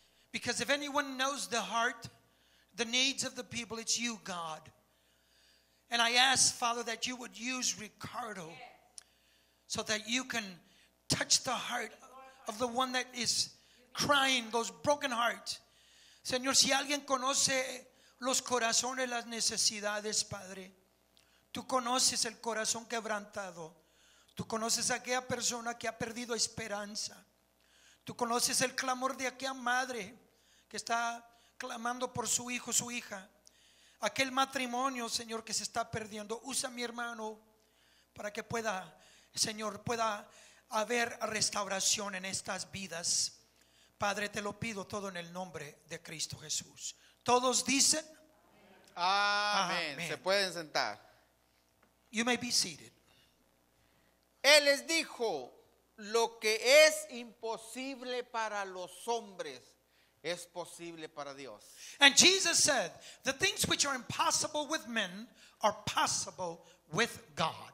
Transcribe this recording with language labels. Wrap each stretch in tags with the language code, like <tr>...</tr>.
<en>Because if anyone knows the heart, the needs of the people, it's you, God. And I ask, Father, that you would use Ricardo so that you can touch the heart of the one that is crying, those broken hearts.</en> <es>Señor, si alguien conoce los corazones, las necesidades, Padre, Tú conoces el corazón quebrantado. Tú conoces a aquella persona que ha perdido esperanza. Tú conoces el clamor de aquella madre que está clamando por su hijo, su hija. Aquel matrimonio, Señor, que se está perdiendo. Usa a mi hermano para que pueda, Señor, pueda haber restauración en estas vidas. Padre, te lo pido todo en el nombre de Cristo Jesús. Todos dicen amén. Amén. Se pueden sentar.</es> <en>You may be seated.</en> <es>Él les dijo: lo que es imposible para los hombres es posible para Dios.</es> <en>And Jesus said, the things which are impossible with men are possible with God.</en>